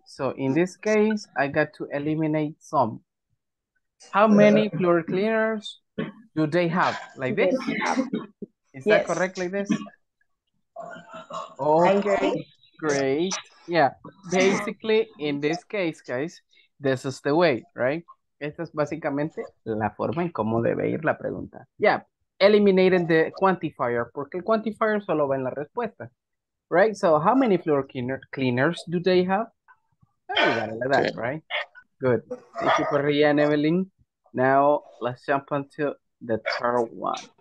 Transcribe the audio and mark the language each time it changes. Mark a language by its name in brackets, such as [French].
[English] So in this case, I got to eliminate some. How many floor cleaners do they have? Like this? Is that correct like this? Okay, great. Yeah, basically in this case, guys, this is the way, right? [Spanish] Esta es básicamente la forma en cómo debe ir la pregunta. [English] Yeah, eliminating the quantifier, [Spanish] porque el quantifier solo va en la respuesta. [English] Right, so how many floor cleaners do they have? Oh, you got it like that, yeah. Right? Good. Thank you, Parrilla and Evelyn. Now, let's jump onto the third one.